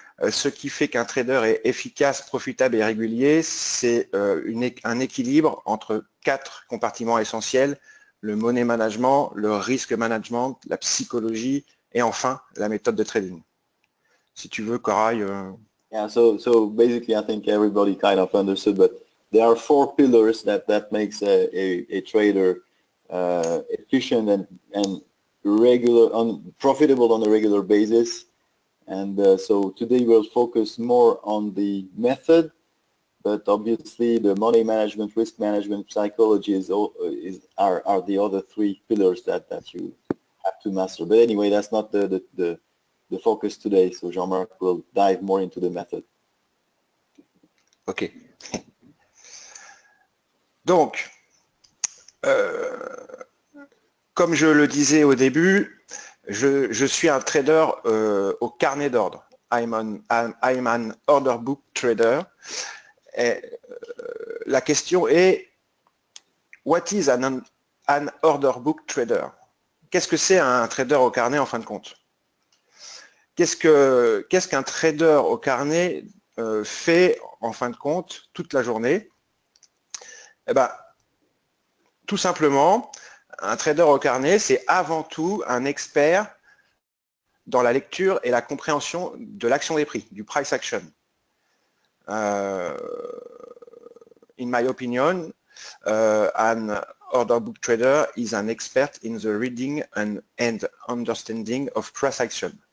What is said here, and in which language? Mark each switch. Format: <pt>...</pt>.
<fr>Ce qui fait qu'un trader est efficace, profitable et régulier, c'est un équilibre entre quatre compartiments essentiels, le money management, le risk management, la psychologie et enfin la méthode de trading. Si tu veux, Corail.</fr> <en>Yeah, so basically, I think everybody kind of understood, but there are four pillars that makes a trader efficient and regular, profitable on a regular basis. And so today we'll focus more on the method, but obviously the money management, risk management, psychology are the other three pillars that you have to master. But anyway, that's not the focus today. So Jean-Marc will dive more into the method. Okay.</en> <fr>Donc, comme je le disais au début, Je suis un trader au carnet d'ordre.</fr> <en>I'm an order book trader.</en> <fr>Et, la question est,</fr> <en>what is an order book trader?</en> <fr>Qu'est-ce que c'est un trader au carnet en fin de compte? Qu'est-ce qu'un trader au carnet fait en fin de compte toute la journée? Eh ben, tout simplement, un trader au carnet, c'est avant tout un expert dans la lecture et la compréhension de l'action des prix, du price action.</fr> <en>In my opinion, an order book trader is an expert in the reading and understanding of price action.</en>